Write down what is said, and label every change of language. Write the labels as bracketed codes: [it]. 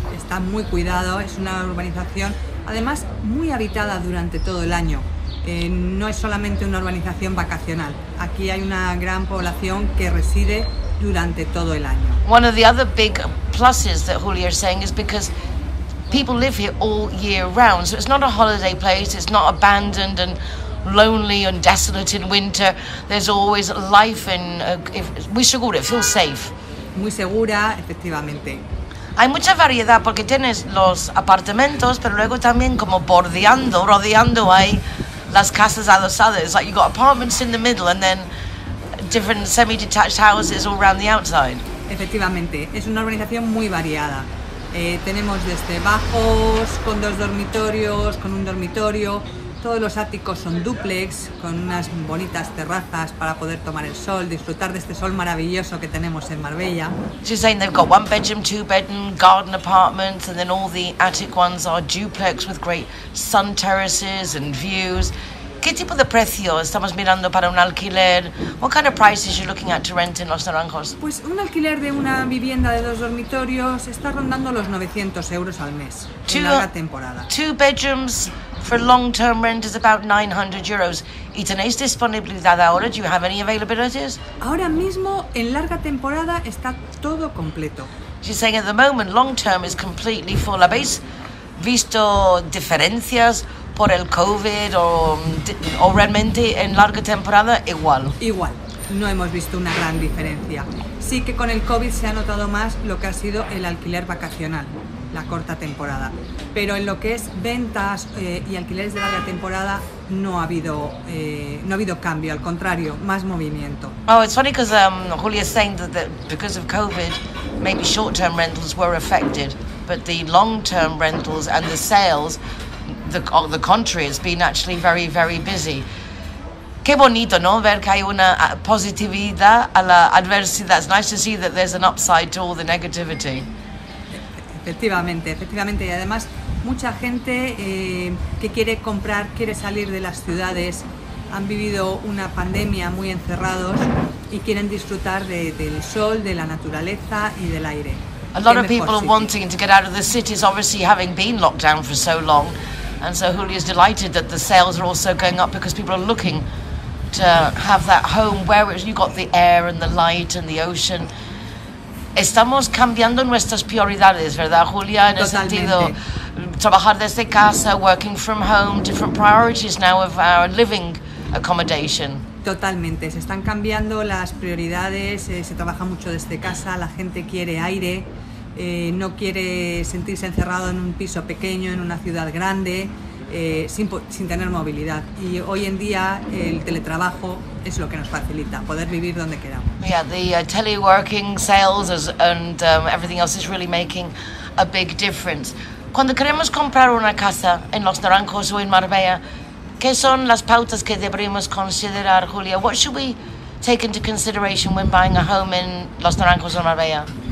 [es] Está muy cuidado, es una urbanización, además muy habitada durante todo el año. No es solamente una urbanización vacacional. Aquí hay una gran población que reside durante todo el año. [en] One of the other big pluses that Julia is saying is because people live here all year round, so it's not a holiday place, it's not abandoned and lonely and desolate in winter. There's always life and [es] muy segura, [en] it feels safe. [es] Muy segura, efectivamente. Hay mucha variedad porque tienes los apartamentos, pero luego también como rodeando hay las casas adosadas. [en] Like you got apartments in the middle and then different semi-detached houses all around the outside. [es] Efectivamente, es una organización muy variada. Tenemos desde bajos con dos dormitorios, con un dormitorio. Todos los áticos son dúplex, con unas bonitas terrazas para poder tomar el sol, disfrutar de este sol maravilloso que tenemos en Marbella. [en] She's saying they've got one bedroom, two bedroom, garden apartments, and then all the attic ones are duplex with great sun terraces and views. [es] ¿Qué tipo de precio estamos mirando para un alquiler? [en] What kind of prices are you looking at to rent in Los Naranjos? [es] Pues un alquiler de una vivienda de dos dormitorios está rondando los 900 euros al mes, en larga temporada. [en] Two bedrooms for long-term rent is about 900 euros. [es] ¿Y tenéis disponibilidad ahora? [en] Do you have any availabilities? [es] Ahora mismo, en larga temporada, está todo completo. [en] She's saying at the moment, long-term is completely full. [es] ¿Habéis visto diferencias por el COVID o realmente en larga temporada? Igual. Igual. No hemos visto una gran diferencia. Sí que con el COVID se ha notado más lo que ha sido el alquiler vacacional, la corta temporada. Pero en lo que es ventas y alquileres de larga temporada no ha habido cambio, al contrario, más movimiento. [en] Oh, it's funny because Julia's saying that because of COVID, maybe short-term rentals were affected, but the long-term rentals and the sales, the contrary, has been actually very, very busy. [es] Qué bonito, ¿no? Ver que hay una positividad a la adversidad. [en] It's nice to see that there's an upside to all the negativity. [es] Efectivamente, efectivamente. Y además, mucha gente que quiere comprar, quiere salir de las ciudades, han vivido una pandemia muy encerrados y quieren disfrutar del sol, de la naturaleza y del aire. [en] A lot of people are wanting to get out of the cities, obviously having been locked down for so long. And so Julia is delighted that the sales are also going up because people are looking to have that home where you've got the air and the light and the ocean. [es] Estamos cambiando nuestras prioridades, ¿verdad, Julia? En el sentido, trabajar desde casa, [en] working from home, different priorities now of our living accommodation. [es] Totalmente, se están cambiando las prioridades, se trabaja mucho desde casa, la gente quiere aire, no quiere sentirse encerrado en un piso pequeño, en una ciudad grande, sin tener movilidad. Y hoy en día el teletrabajo es lo que nos facilita, poder vivir donde queramos. [en] Yeah, the teleworking sales everything else is really making a big difference. [es] Cuando queremos comprar una casa en Los Naranjos o en Marbella, ¿qué son las pautas que deberíamos considerar, Julia? [en] What should we take into consideration when buying a home in Los Naranjos or Marbella?